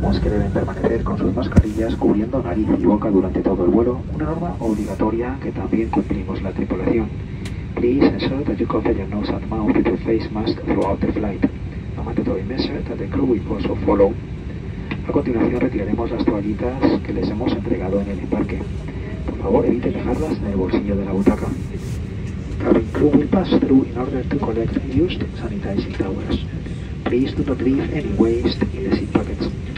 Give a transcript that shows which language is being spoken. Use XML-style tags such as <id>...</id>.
<es>deben permanecer con sus mascarillas cubriendo nariz y boca durante todo el vuelo, una norma obligatoria que también cumplimos la tripulación.</es> <en>Please ensure that you cover your nose and mouth with a face mask throughout the flight. A mandatory measure that the crew will also follow.</en> <es>A continuación retiraremos las toallitas que les hemos entregado en el embarque. Por favor, evite dejarlas en el bolsillo de la butaca.</es> <en>Cabin crew will pass through in order to collect used sanitizing towels. Please do not leave any waste in the seat pockets.</en>